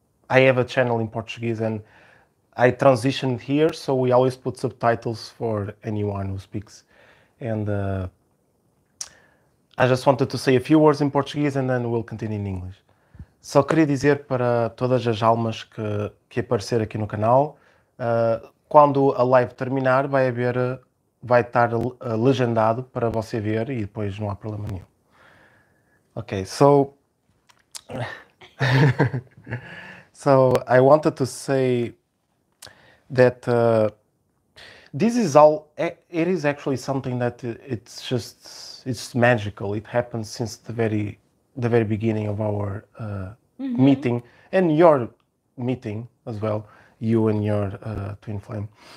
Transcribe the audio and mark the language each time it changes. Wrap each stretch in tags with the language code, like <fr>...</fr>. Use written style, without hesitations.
<en>I have a channel in Portuguese and I transitioned here, so we always put subtitles for anyone who speaks. And I just wanted to say a few words in Portuguese and then we'll continue in English.</en> <pt>Só queria dizer para todas as almas que aparecer aqui no canal, quando a live terminar vai estar legendado para você ver e depois não há problema nenhum.</pt> <en>Ok, so... So I wanted to say that this is all, it is actually something that it's magical. It happened since the very beginning of our meeting and your meeting as well, you and your twin flame.</en>